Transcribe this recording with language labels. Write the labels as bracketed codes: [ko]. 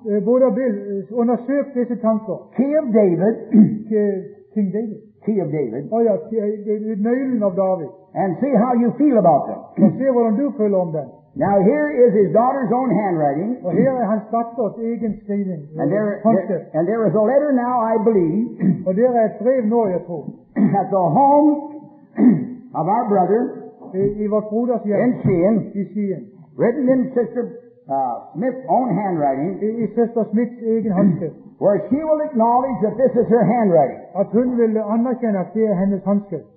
[sv] Brother Bill, undersök dessa tankar. [en] Key of David. King David. Key of David. [sv] Oh ja, nöjlen av David. [en] And see how you feel about them. [sv] Och se vad du [en] feel [sv] om dem. [en] Now here is his daughter's own handwriting. [sv] Och här är hans dotters egen skrivning. [en] And there is a letter now, I believe. [sv] Och där är ett brev nu, jag tror. [en] At the home of our brother. [sv] I vårt broders hjem. [en] In Sheehan. [sv] I Sheehan. [en] Written in Sister Smith's own handwriting. [sv] I Sister Smith's egen handschrift. [en] Where she will acknowledge that this is her handwriting. [sv] Att hon vill anerkänna att det är hennes handskrift.